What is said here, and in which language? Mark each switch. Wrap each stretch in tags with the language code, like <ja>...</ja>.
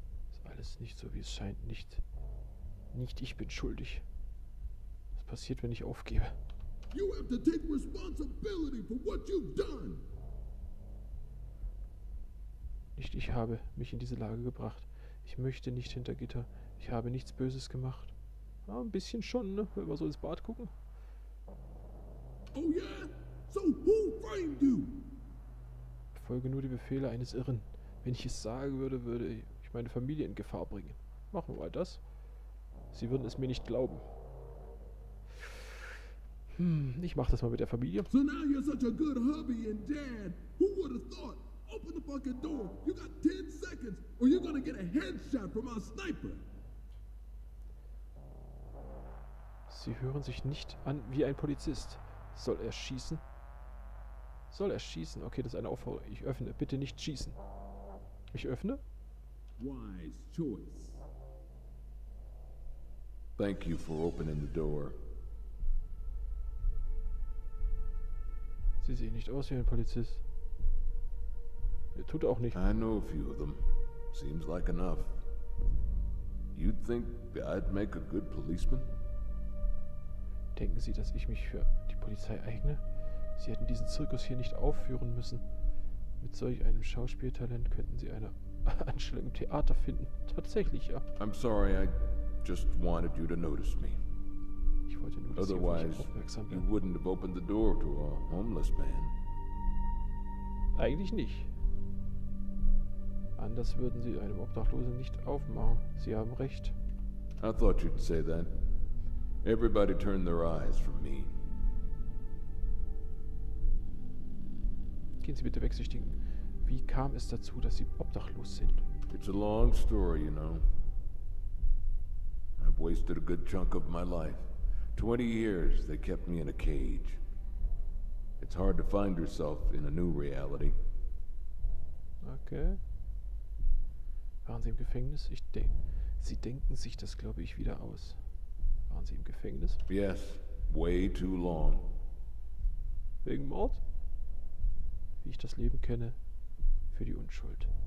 <de>Ist alles nicht so, wie es scheint. Nicht ich bin schuldig. Was passiert, wenn ich aufgebe?</de> <en>You have to take responsibility for what you've done.</en> <de>Nicht ich habe mich in diese Lage gebracht. Ich möchte nicht hinter Gitter. Ich habe nichts Böses gemacht. Ja, ein bisschen schon, ne? Wenn wir so ins Bad gucken. Oh ja?</de> <en>So, who framed you?</en> <de>Ich folge nur die Befehle eines Irren. Wenn ich es sagen würde, würde ich meine Familie in Gefahr bringen. Machen wir mal das. Sie würden es mir nicht glauben. Ich mach das mal mit der Familie.</de> <en>So now you're such a good hubby and dad. Who would have thought? Open the fucking door. You got 10 seconds or you're gonna get a headshot from our sniper.</en> <de>Sie hören sich nicht an wie ein Polizist. Soll er schießen? Soll er schießen? Okay, das ist eine Aufforderung. Ich öffne. Bitte nicht schießen. Ich öffne?</de> <en>Wise choice. Thank you for opening the door.</en> <de>Sie sehen nicht aus wie ein Polizist. Er tut auch nicht.</de> <en>I know a few of them. Seems like enough. You'd think I'd make a good policeman?</en> <de>Denken Sie, dass ich mich für die Polizei eigne? Sie hätten diesen Zirkus hier nicht aufführen müssen. Mit solch einem Schauspieltalent könnten Sie eine Anstellung im Theater finden. Tatsächlich, ja.</de> <en>I'm sorry, I just wanted you to notice me.</en> <de>Ich wollte nur, dass Sie auf mich aufmerksam werden.</de> <en>You wouldn't have opened the door to a homeless man.</en> <de>Eigentlich nicht. Anders würden Sie einem Obdachlosen nicht aufmachen. Sie haben recht.</de> <en>I thought you'd say that. Everybody turned their eyes from me.</en> <de>Gehen Sie bitte weg, Süchtigen. Wie kam es dazu, dass sie obdachlos sind?</de> <en>It's a long story, you know. I've wasted a good chunk of my life. 20 years they kept me in a cage. It's hard to find yourself in a new reality.</en> <de>Okay. Waren sie im Gefängnis? Sie denken sich das, glaube ich, wieder aus. Waren sie im Gefängnis?</de> <en>Yes, way too long.</en> <de>Wegen Mord? Wie ich das Leben kenne, für die Unschuld.</de>